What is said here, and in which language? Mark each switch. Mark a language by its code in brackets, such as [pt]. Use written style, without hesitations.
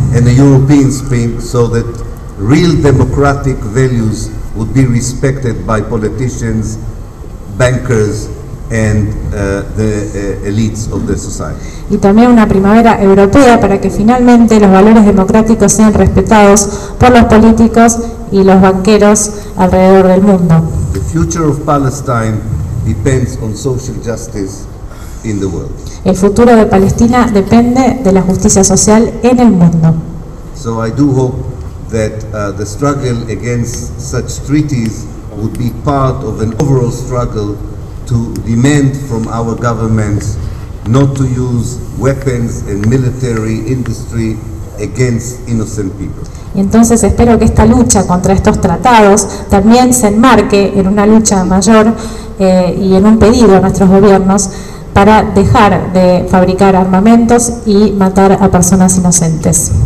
[en] And a European Spring, so that real democratic values would be respected by politicians, bankers, and the elites of the society. [es] Y también una primavera europea para que finalmente los valores democráticos sean respetados por los políticos y los banqueros alrededor del mundo. [en] The future of Palestine depends on social justice in the world. [es] El futuro de Palestina depende de la justicia social en el mundo. [en] So I do hope that the struggle against such treaties would be part of an overall struggle to demand from our governments not to use weapons and military industry against innocent people. [es] Y entonces espero que esta lucha contra estos tratados también se enmarque en una lucha mayor y en un pedido a nuestros gobiernos para dejar de fabricar armamentos y matar a personas inocentes.